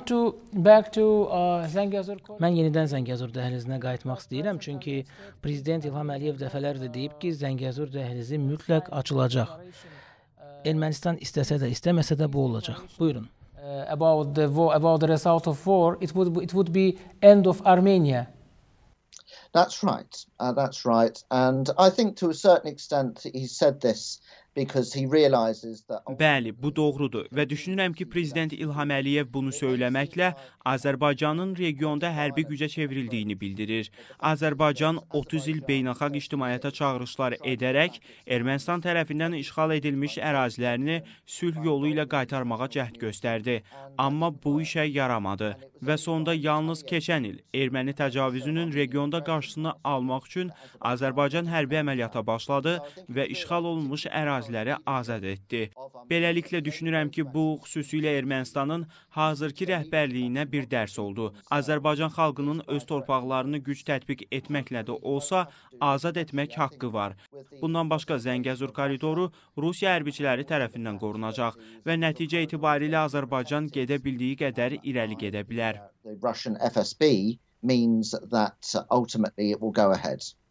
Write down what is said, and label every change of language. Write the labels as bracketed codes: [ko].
[az] Mən yenidən Zəngəzur dəhlizinə qayıtmaq istəyirəm, çünki Prezident İlham Əliyev dəfələrdə deyib ki, Zəngəzur dəhlizi mütləq açılacaq. Ermənistan istəsə də, istəməsə də bu olacaq. Buyurun. [en] About the result of war, it would be end of Armenia. That's right. And I think to a certain extent he said this because he realizes that [az] Bəli, bu doğrudur və düşünürəm ki, prezident İlham Əliyev bunu söyləməklə Azərbaycanın regionda hərbi gücə çevrildiyini bildirir. Azərbaycan 30 il beynəlxalq ictimaiyyətə çağırışlar edərək Ermənistan tərəfindən işğal edilmiş ərazilərini sülh yolu ilə qaytarmağa cəhd göstərdi. Amma bu işə yaramadı və sonda yalnız keçən il erməni təcavüzünün regionda qarşısını almaq üçün Azərbaycan hərbi əməliyyata başladı və işğal olunmuş əraziləri azad etdi. Beləliklə düşünürəm ki, bu xüsusilə Ermənistanın hazırki rəhbərliyinə bir dərs oldu. Azərbaycan xalqının öz torpaqlarını güc tətbiq etməklə də olsa, azad etmək haqqı var. Bundan başqa Zəngəzur koridoru Rusiya hərbiçiləri tərəfindən qorunacaq və nəticə itibarilə Azərbaycan gedə bildiyi qədər irəli gedə bilər. [en] Russian FSB means that ultimately it will go ahead.